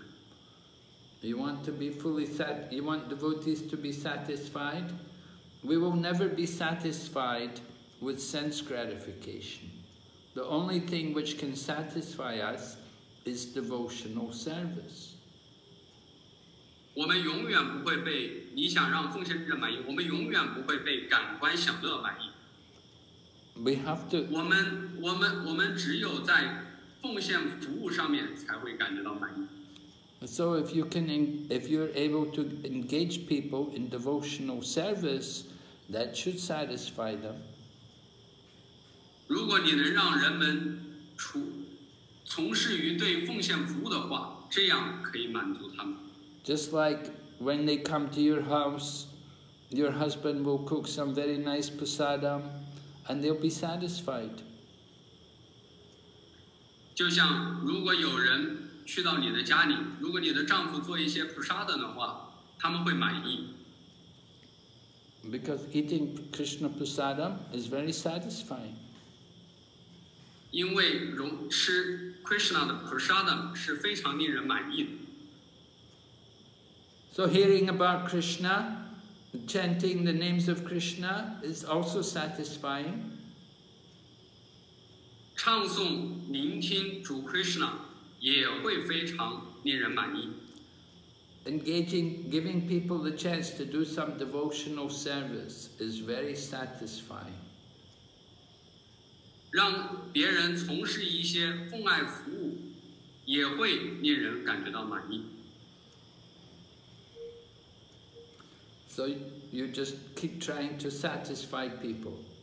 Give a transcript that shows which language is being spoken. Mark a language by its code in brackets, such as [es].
[en] 意。You want to be fully sat. You want devotees to be satisfied. We will never be satisfied with sense gratification. The only thing which can satisfy us is devotional service. [zh] 我们永远不会被你想让奉献者满意，我们永远不会被感官享乐满意。 [en] We have to. [zh] 我们只有在奉献服务上面才会感觉到满意。 [en] So if you're able to engage people in devotional service, that should satisfy them. [zh] 如果你能让人们从事于对奉献服务的话，这样可以满足他们。 [en] Just like when they come to your house, your husband will cook some very nice posada, and they'll be satisfied. [zh] 就像如果有人去到你的家里，如果你的丈夫做一些普沙的话，他们会满意。 [en] Because eating Krishna prasadam is very satisfying. [zh] 因为吃 Krishna 的 prasadam 是非常令人满意的。 [en] So hearing about Krishna, chanting the names of Krishna is also satisfying. [zh] 唱诵、聆听主 Krishna 也会非常令人满意。 [en] Engaging, giving people the chance to do some devotional service is very satisfying. [zh] 让别人从事一些奉爱服务也会令人感觉到满意。 [en] So you just keep trying to satisfy people.